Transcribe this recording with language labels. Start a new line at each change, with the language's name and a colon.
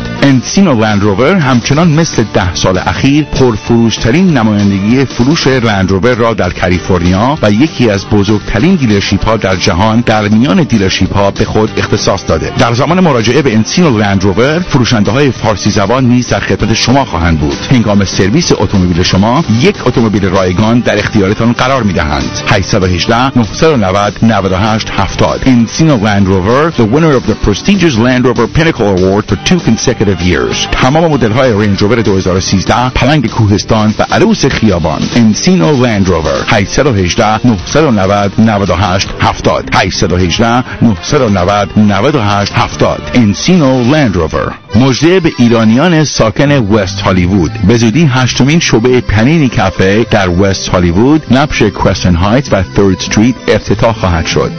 Persian: انسینو لند روور همچنان مثل 10 سال اخیر پرفروشترین نمایندگی فروش لند روور را در کالیفرنیا و یکی از بزرگترین دیلرشیپ ها در جهان در میان دیلرشیپ ها به خود اختصاص داده. در زمان مراجعه به انسینو لند روور، فروشنده های فارسی زبان نیز در خدمت شما خواهند بود. هنگام سرویس اتومبیل شما، یک اتومبیل رایگان در اختیارتان قرار می دهند. 818-990-9870 انسینو لند روور.
English: Rover, the winner of the prestigious Land Rover Pinnacle Award for two consecutive years.
Persian: تمام مدل‌های رنج روور 2013، پلنگ کوهستان و عروس خیابان. انسینو لند روور 818-990-9870 818-990-9870 انسینو لند روور. مژده به ایرانیان ساکن وست هالیوود. به زودی هشتمین شعبه پنینی کافه در وست هالیوود، نبش کوستن هایت و ثرد استریت افتتاح خواهد شد.